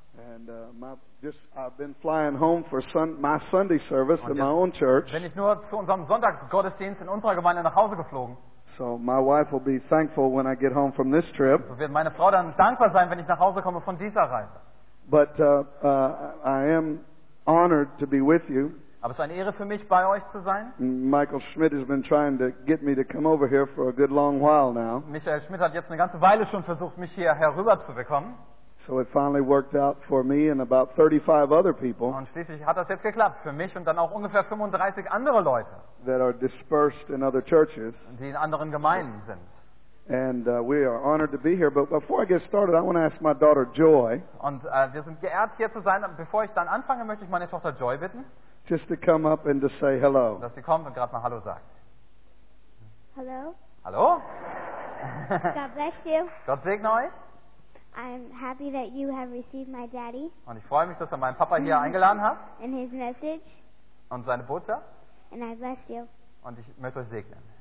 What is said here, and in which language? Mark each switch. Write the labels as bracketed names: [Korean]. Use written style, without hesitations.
[English] And I've been flying home for my Sunday service in my own church. [German] Bin ich nur zu unserem Sonntagsgottesdienst in unserer Gemeinde nach Hause geflogen. [English] So my wife will be thankful when I get home from this trip. [German] So wird meine Frau dann dankbar sein, wenn ich nach Hause komme von dieser Reise. [English] But I am honored to be with you. [German] Aber es ist eine Ehre für mich, bei euch zu sein. [English] Michael Schmidt has been trying to get me to come over here for a good long while now. [German] Michael Schmidt hat jetzt eine ganze Weile schon versucht, mich hier herüber zu bekommen. [English] So it finally worked out for me and about 35 other people. [German] Und schließlich hat das jetzt geklappt für mich und dann auch ungefähr 35 andere Leute. [English] That are dispersed in other churches. [German] Die in anderen Gemeinden sind. [English] And we are honored to be here. But before I get started, I want to ask my daughter Joy. [German] Und wir sind geehrt hier zu sein. Bevor ich dann anfange, möchte ich meine Tochter Joy bitten. [English] Just to come up and to say hello. [German] Dass sie kommt und gerade mal Hallo sagt. [English] Hello. [German] Hallo. [English] God bless you. [German] Gott segne euch. [English] I'm happy that you have received my daddy. [German] Und ich freue mich, dass du meinen Papa hier eingeladen hast. [English] And his message. [German] Und seine Botschaft. [English] And I bless you. [German] Und ich möchte euch segnen.